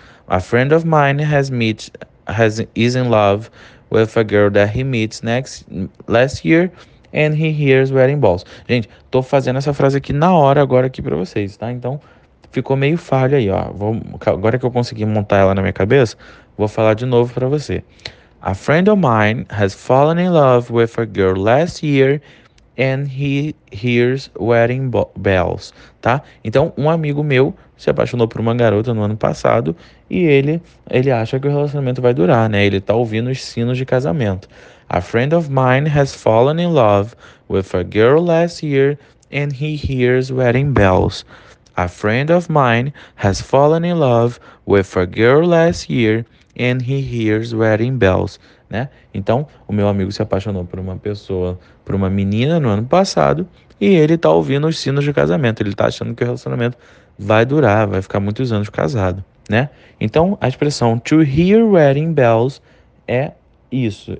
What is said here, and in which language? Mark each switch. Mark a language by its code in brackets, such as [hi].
[en] A friend of mine is in love with a girl that he meets last year, and he hears wedding bells. [pt] Gente, tô fazendo essa frase aqui na hora agora aqui para vocês, tá? Então ficou meio falho aí, ó. Agora que eu consegui montar ela na minha cabeça, vou falar de novo para você. [en] A friend of mine has fallen in love with a girl last year and he hears wedding bells, tá? [pt] Então, um amigo meu se apaixonou por uma garota no ano passado e ele acha que o relacionamento vai durar, né? Ele tá ouvindo os sinos de casamento. [en] A friend of mine has fallen in love with a girl last year and he hears wedding bells. A friend of mine has fallen in love with a girl last year and he hears wedding bells, né? [pt] Então, o meu amigo se apaixonou por uma pessoa, por uma menina no ano passado, e ele tá ouvindo os sinos de casamento. Ele tá achando que o relacionamento vai durar, vai ficar muitos anos casado, né? Então, a expressão to hear wedding bells é isso.